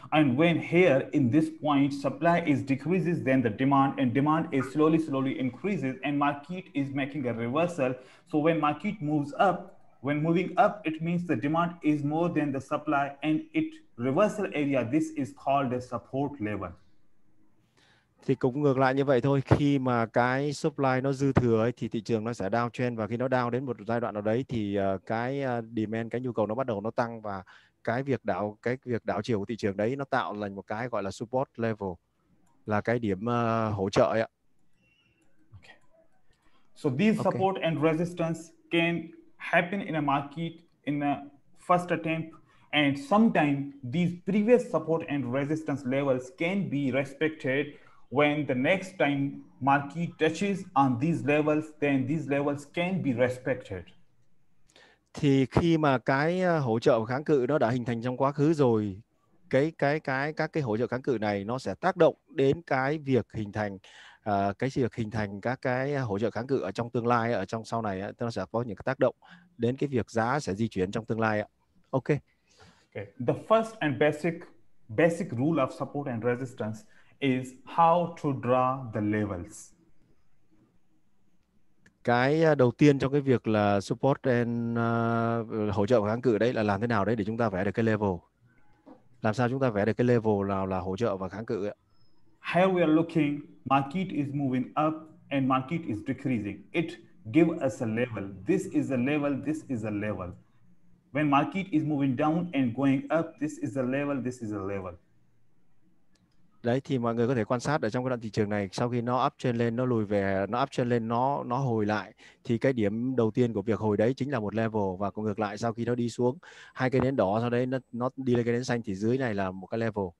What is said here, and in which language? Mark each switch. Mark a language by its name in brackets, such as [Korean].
[English] And when here in this point supply is decreases, then the demand, and demand is slowly increases, and market is making a reversal. So when market moves up, when moving up, it means the demand is more than the supply, and it reversal area, this is called a support level. [Vietnamese] Thì cũng ngược lại như vậy thôi, khi mà cái supply nó dư thừa ấy, thì thị trường nó sẽ downtrend, và khi nó down đến một giai đoạn nào đấy thì cái demand, cái nhu cầu nó bắt đầu nó tăng, và cái việc đảo chiều của thị trường đấy nó tạo là một cái gọi là support level, là cái điểm hỗ trợ ấy ạ. [English] Okay. So these support and resistance can happen in a market in a first attempt. And sometimes these previous support and resistance levels can be respected. When the next time market touches on these levels, then these levels can be respected. [Vietnamese] Thì khi mà cái hỗ trợ kháng cự nó đã hình thành trong quá khứ rồi, các cái hỗ trợ kháng cự này nó sẽ tác động đến cái việc hình thành các cái hỗ trợ kháng cự ở trong tương lai, ở trong sau này nó sẽ có những tác động đến cái việc giá sẽ di chuyển trong tương lai. [English] Okay. Okay. The first and basic rule of support and resistance is how to draw the levels. [Vietnamese] Cái đầu tiên trong cái việc là support and hỗ trợ kháng cự đấy là làm thế nào đấy để chúng ta vẽ được cái level. Làm sao chúng ta vẽ được cái level nào là hỗ trợ và kháng cự ấy? [English] Here we are looking, market is moving up and market is decreasing. It give us a level. This is a level. When market is moving down and going up, this is a level. [Vietnamese] Đấy thì mọi người có thể quan sát ở trong cái đoạn thị trường này, sau khi nó up trend lên, nó lùi về, nó up trend lên, nó hồi lại, thì cái điểm đầu tiên của việc hồi đấy chính là một level, và cũng ngược lại, sau khi nó đi xuống hai cái nến đỏ, sau đấy nó đi lên cái nến xanh, thì dưới này là một cái level.